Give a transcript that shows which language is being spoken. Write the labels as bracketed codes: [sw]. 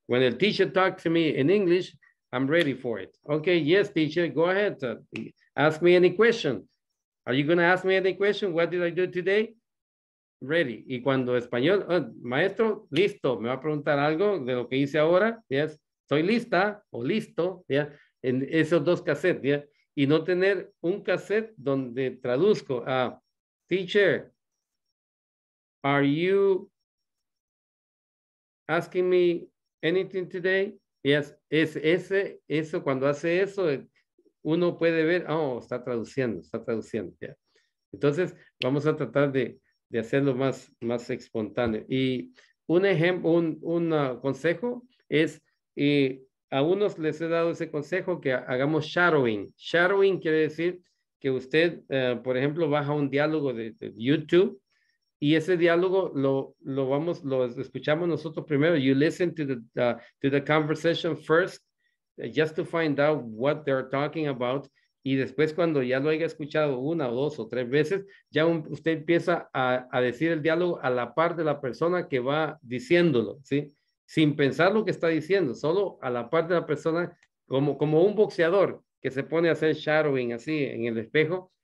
[en] When the teacher talks to me in English, I'm ready for it. Okay, yes, teacher, go ahead. Ask me any question. Are you going to ask me any question? What did I do today? Ready. [es] Y cuando español, maestro, listo, me va a preguntar algo de lo que hice ahora. Yes, estoy lista o listo. Yeah, en esos dos cassettes. Yeah. Y no tener un cassette donde traduzco a teacher. [en] Are you asking me anything today? [es] Yes, eso cuando hace eso, uno puede ver, está traduciendo. Yeah. Entonces, vamos a tratar de hacerlo más espontáneo. Y un ejemplo, un consejo es, a unos les he dado ese consejo que hagamos shadowing. Shadowing quiere decir que usted, por ejemplo, baja un diálogo de YouTube. Y ese diálogo lo escuchamos nosotros primero. [en] You listen to the conversation first, just to find out what they're talking about. [es] Y después, cuando ya lo haya escuchado una o dos o tres veces, ya usted empieza a decir el diálogo a la par de la persona que va diciéndolo, ¿sí? Sin pensar lo que está diciendo, solo a la par de la persona, como un boxeador que se pone a hacer shadowing así en el espejo.